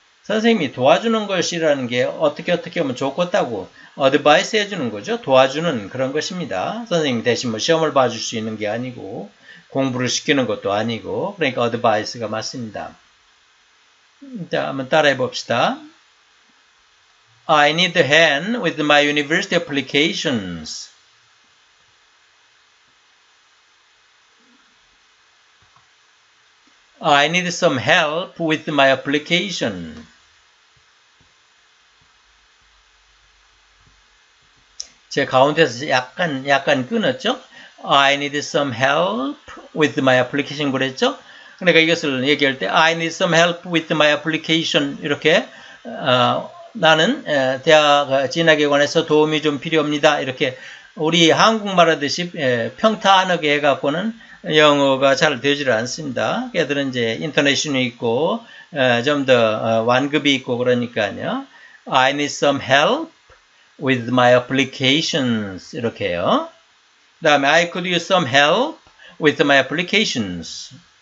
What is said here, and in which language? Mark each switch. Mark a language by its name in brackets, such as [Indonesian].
[Korean] 선생님이 도와주는 것이라는 게 어떻게 하면 좋겠다고 advice 해주는 거죠. 도와주는 그런 것입니다. 선생님이 대신 뭐 시험을 봐줄 수 있는 게 아니고 공부를 시키는 것도 아니고 그러니까 advice가 맞습니다. 자, 한번 따라해 봅시다. [English] I need a hand with my university applications. I need some help with my application. [Korean] I 가운데서 약간 끊었죠? [English] I need some help with my application [Korean] 그랬죠? 그러니까 이것을 얘기할 때 [English] I need some help with my application [Korean] 이렇게 나는 대학 진학에 관해서 도움이 좀 필요합니다. 이렇게 우리 한국말 하듯이 평탄하게 해갖고는 영어가 잘 되질 않습니다. 걔들은 이제 인터네이션이 있고 좀 더 완급이 있고 그러니까요. [English] I need some help with my applications [Korean] 이렇게요. 그 다음에 [English] I could use some help with my applications.